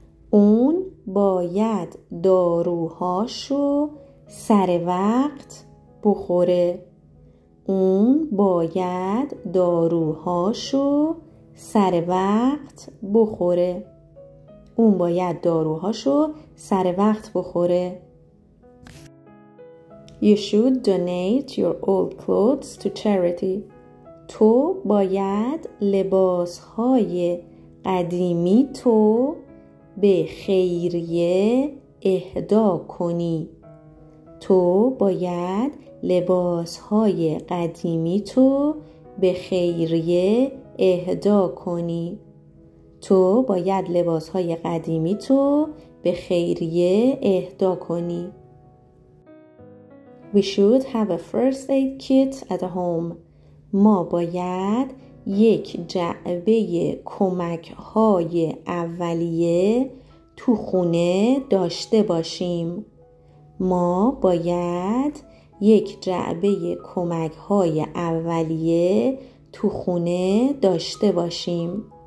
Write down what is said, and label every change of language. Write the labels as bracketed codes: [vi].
[fa] اون باید داروهاشو سر وقت بخوره. اون باید داروهاشو سر وقت بخوره. اون باید داروهاشو سر وقت بخوره. [en] You should donate your old clothes to charity. [fa] تو باید لباسهای قدیمی تو به خیریه اهدا کنی. تو باید لباسهای قدیمی تو به خیریه اهدا کنی. تو باید لباسهای قدیمی تو به خیریه اهدا کنی. [en] We should have a first aid kit at home. [fa] ما باید یک جعبه کمک‌های اولیه تو خونه داشته باشیم. ما باید یک جعبه کمک‌های اولیه تو خونه داشته باشیم.